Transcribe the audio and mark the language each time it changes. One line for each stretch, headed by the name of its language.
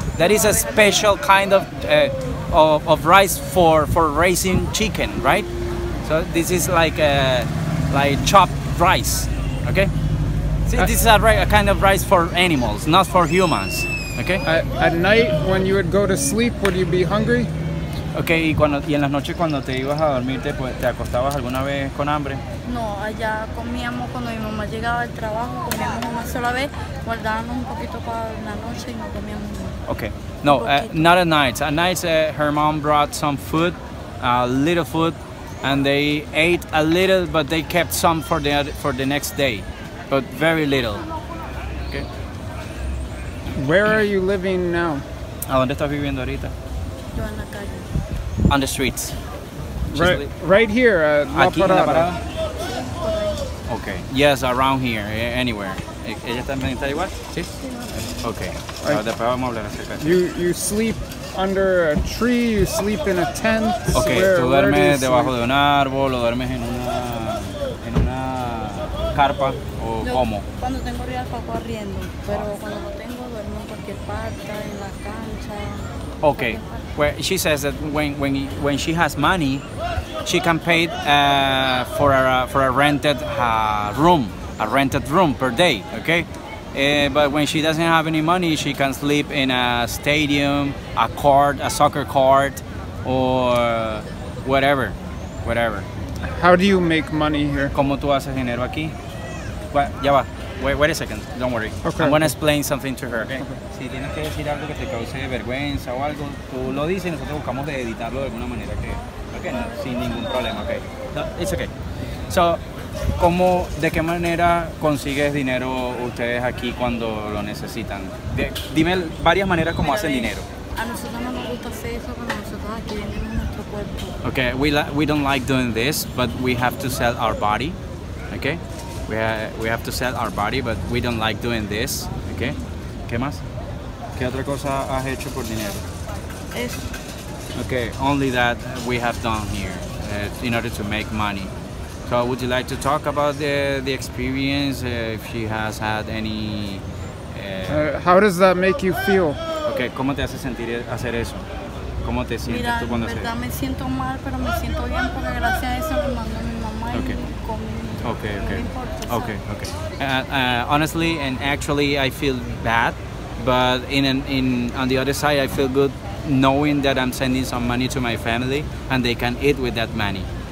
English: That is a special kind of rice for raising chicken, right? So this is like chopped rice. Okay? See, this is a kind of rice for animals, not for humans. Okay? At night, when you would go to sleep, would you be hungry?
Spanish: Okay, y en las noches cuando te ibas a dormir, ¿te acostabas alguna vez con hambre? No, allá comíamos cuando mi mamá llegaba del trabajo, comíamos una sola vez, guardábamos un poquito para la noche y no comíamos.
English: Okay. No, not at night. At night, her mom brought some food, a little food. And they ate a little, but they kept some for the next day, but very little. Okay. Where are you living now?
Spanish: ¿A dónde estás viviendo ahorita? Yo en la calle.
English: On the streets. Right here.
Spanish: Aquí en la Parada.
English: Okay. Yes, around here, anywhere.
Spanish: ¿Ella también está igual? Sí. Okay. Después vamos a hablar acerca.
English: You sleep under a tree, you sleep in a tent. Okay, where,
Spanish: tú duermes debajo de un árbol o duermes en una carpa o cómo. Cuando tengo río paso corriendo, pero cuando no tengo duermo en cualquier parte, en la cancha.
English: Okay, well, she says that when she has money, she can pay for a rented room per day. Okay. But when she doesn't have any money, she can sleep in a stadium, a court, a soccer court, or whatever. How do you make money here?
Spanish: ¿Cómo tú haces dinero aquí? Ya va.
English: Wait a second. Don't worry. Okay. I'm going to explain something to her. Okay.
Spanish: Si tienes que decir algo que te cause vergüenza o algo, tú lo dices y nosotros buscamos de editarlo de alguna manera. Okay. No, sin ningún problema. Okay.
English: No, it's okay.
Spanish: So, ¿cómo, de qué manera consigues dinero ustedes aquí cuando lo necesitan? Dime varias maneras cómo hacen dinero. A nosotros no nos gusta hacer eso porque nosotros aquí vendemos nuestro cuerpo.
English: Okay, we don't like doing this, but we have to sell our body. Okay? We have to sell our body, but we don't like doing this.
Spanish: Okay? ¿Qué más? ¿Qué otra cosa has hecho por dinero? Eso.
English: Okay, only that we have done here in order to make money. So would you like to talk about the experience, if she has had any... How does that make you feel?
Spanish: Okay, ¿cómo te hace sentir hacer eso? ¿Cómo te sientes Mira, tú cuando haces eso? Mira, en verdad me siento mal, pero me siento bien, porque gracias a eso me mandó mi mamá okay. y no me importa.
English: Honestly and actually, I feel bad, but on the other side, I feel good knowing that I'm sending some money to my family and they can eat with that money.